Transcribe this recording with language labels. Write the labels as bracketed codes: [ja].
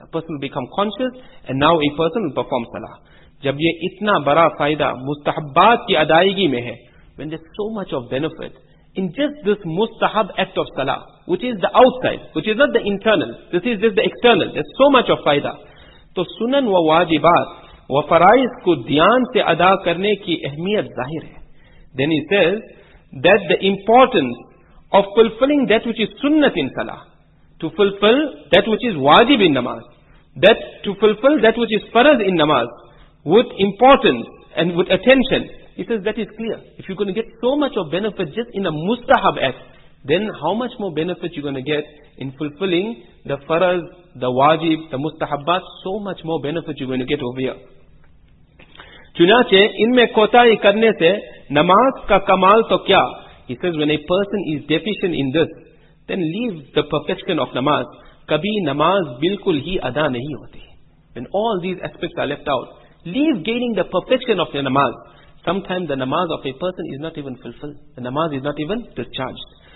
[en] A person will become conscious, and now a person will perform salah. [ur] جب یہ اتنا برا فائدہ مستحبات کی ادائیگی میں ہے, [en] when there's so much of benefit in just this mustahab act of salah, which is the outside, which is not the internal, this is just the external, there's so much of فائدہ. [ur] تو سنن و واجبات و فرائض کو دھیان سے ادا کرنے کی اہمیت ظاہر ہے. [en] Then he says that the importance of fulfilling that which is sunnat in salah, to fulfill that which is wajib in namaz, that to fulfill that which is faraz in namaz, with importance and with attention. He says that is clear. If you're going to get so much of benefit just in a mustahab act, then how much more benefit you're going to get in fulfilling the faraz, the wajib, the mustahabbat, so much more benefit you're going to get over here. [ur] چنانچہ ان میں کوتاہی کرنے سے نماز کا کمال تو کیا. [en] He says when a person is deficient in this, then leave the perfection of namaz. [ur] کبھی نماز بالکل ہی ادا نہیں ہوتی. [en] When all these aspects are left out, leave gaining the perfection of your namaz. Sometimes the namaz of a person is not even fulfilled. The namaz is not even discharged.